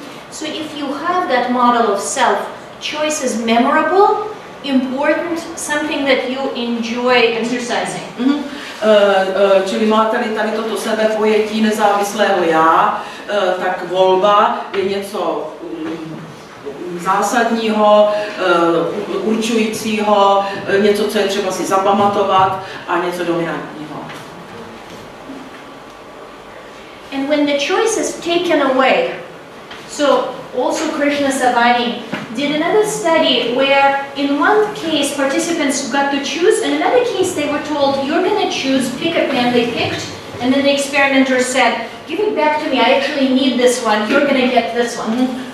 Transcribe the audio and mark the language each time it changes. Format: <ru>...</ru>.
<en>So if you have that model of self, choice is memorable, important, something that you enjoy exercising. Mm-hmm.</en> <cs>Čili máte-li tady toto sebepojetí nezávislého já, tak volba je něco zásadního, určujícího, něco, co je třeba si zapamatovat, a něco dominantního.</cs> <en>And when the choice is taken away, so also Krishna Savani did another study where in one case participants got to choose, in another case they were told, you're going to choose, pick a pen they picked, and then the experimenter said, give it back to me, I actually need this one, you're going to get this one.</en>